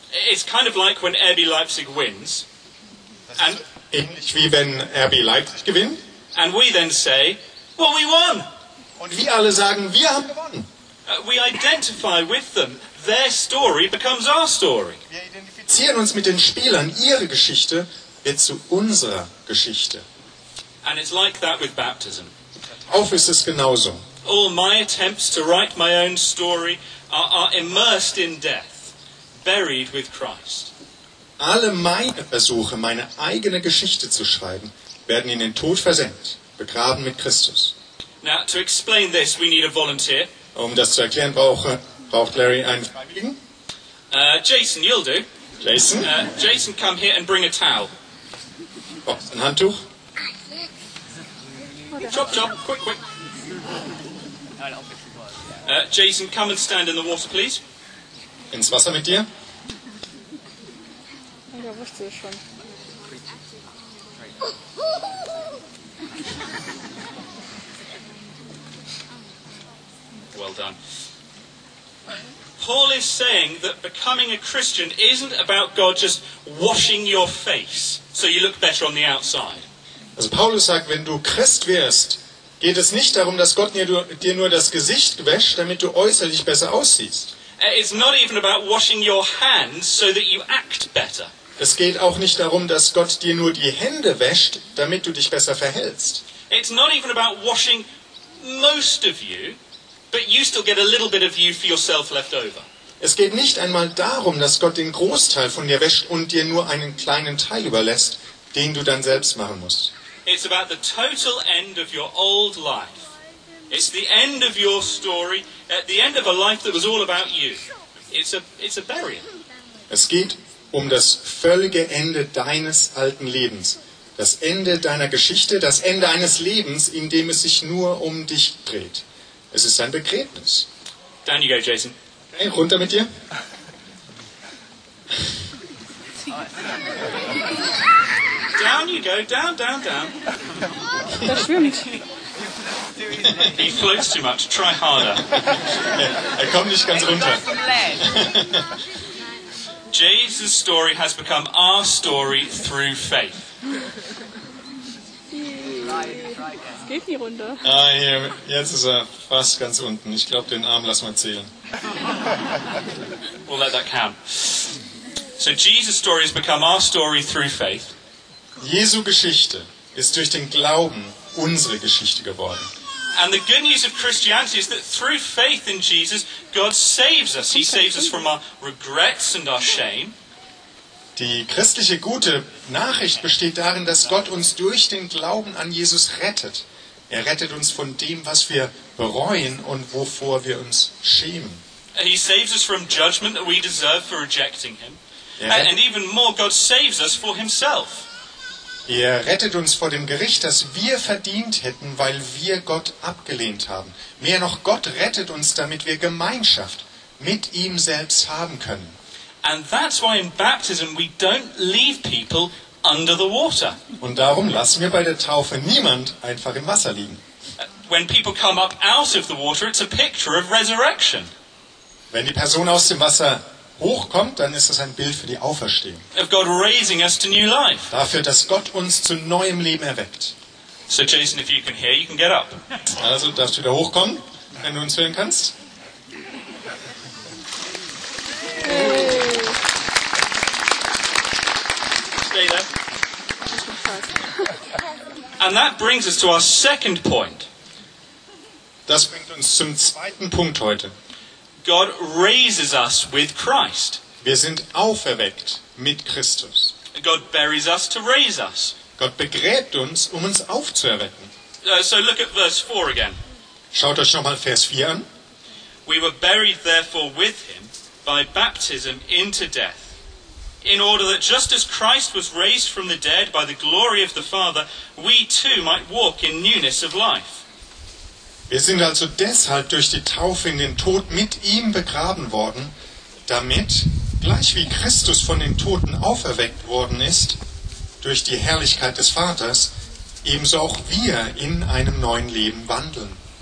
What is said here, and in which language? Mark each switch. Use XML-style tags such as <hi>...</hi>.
<en>It's kind of like when RB Leipzig wins. And</en> <de>ähnlich wie wenn RB Leipzig gewinnt.</de> <en>And we then say, well, we won.</en> <de>Und wir alle sagen, wir haben gewonnen.</de> <en>We identify with them. Their story becomes our story.</en> <de>Wir identifizieren uns mit den Spielern. Ihre Geschichte wird zu unserer Geschichte.</de> <en>And it's like that with baptism.</en> <de>Auch ist es genauso.</de> <en>All my attempts to write my own story are immersed in death, buried with Christ.</en> <de>Alle meine Versuche, meine eigene Geschichte zu schreiben, werden in den Tod versenkt, begraben mit Christus.</de> <en>Now, to explain this, we need a volunteer.</en> <de>Um das zu erklären, braucht Larry einen Freiwilligen.</de> <en>Jason, you'll do. Jason? Jason, come here and bring a towel.</en> <de>Oh, ein Handtuch.</de> <en>Chop, chop, quick, quick. Jason, come and stand in the water, please.</en> <de>Ins Wasser mit dir. Ja, wusste ich schon.</de> <en>Well done. Paul is saying that becoming a Christian isn't about God just washing your face so you look better on the outside.</en> <de>Also Paulus sagt, wenn du Christ wirst, geht es nicht darum, dass Gott dir nur das Gesicht wäscht, damit du äußerlich besser aussiehst.</de> <en>It's not even about washing your hands so that you act better.</en> <de>Es geht auch nicht darum, dass Gott dir nur die Hände wäscht, damit du dich besser verhältst.</de> <en>It's not even about washing most of you, but you still get a little bit of you for yourself left over.</en> <de>Es geht nicht einmal darum, dass Gott den Großteil von dir wäscht und dir nur einen kleinen Teil überlässt, den du dann selbst machen musst.</de> <en>It's about the total end of your old life. It's the end of your story, at the end of a life that was all about you. It's a burial.</en> <de>Es geht um das völlige Ende deines alten Lebens. Das Ende deiner Geschichte, das Ende eines Lebens, in dem es sich nur um dich dreht. Es ist ein Begräbnis.</de> <en>Down you go, Jason.</en> <de>Hey, runter mit dir.</de> <en>Down you go, down, down, down.</en> <de>Das schwimmt.</de> <en>He floats too much, try harder.</en> <de>Er kommt nicht ganz runter.</de> <en>Jesus' story has become our story through faith.</en> <de>Es geht nie runter. Ah, hier, jetzt ist er fast ganz unten. Ich glaube, den Arm lassen wir zählen.</de> <en>We'll let that count. So Jesus' story has become our story through faith.</en> <de>Jesu Geschichte ist durch den Glauben unsere Geschichte geworden.</de> <en>And the good news of Christianity is that through faith in Jesus, God saves us. He saves us from our regrets and our shame.</en> <de>Die christliche gute Nachricht besteht darin, dass Gott uns durch den Glauben an Jesus rettet. Er rettet uns von dem, was wir bereuen und wovor wir uns schämen.</de> <en>He saves us from judgment that we deserve for rejecting him. And even more, God saves us for himself.</en> <de>Er rettet uns vor dem Gericht, das wir verdient hätten, weil wir Gott abgelehnt haben. Mehr noch, Gott rettet uns, damit wir Gemeinschaft mit ihm selbst haben können.</de> <en>And that's why in baptism we don't leave people under the water.</en> <de>Und darum lassen wir bei der Taufe niemand einfach im Wasser liegen.</de> <en>When people come up out of the water, it's a picture of resurrection.</en> <de>Wenn die Person aus dem Wasser hochkommt, dann ist das ein Bild für die Auferstehung.</de> <en>Of God raising us to new life.</en> <de>Dafür, dass Gott uns zu neuem Leben erweckt.</de> <en>So Jason, if you can hear, you can get up.</en> <de>Also darfst du wieder hochkommen, wenn du uns hören kannst.</de> <en>Stay there. And that brings us to our second point.</en> <de>Das bringt uns zum zweiten Punkt heute.</de> <en>God raises us with Christ.</en> <de>Wir sind auferweckt mit Christus.</de> <en>God buries us to raise us.</en> <de>Gott begräbt uns, um uns aufzuerwecken.</de> <en>So look at verse 4 again.</en> <de>Schaut euch schon mal Vers 4 an.</de> <en>We were buried therefore with him by baptism into death, in order that just as Christ was raised from the dead by the glory of the Father, we too might walk in newness of life.</en> <de>Wir sind also deshalb durch die Taufe in den Tod mit ihm begraben worden, damit, gleich wie Christus von den Toten auferweckt worden ist, durch die Herrlichkeit des Vaters, ebenso auch wir in einem neuen Leben wandeln.</de>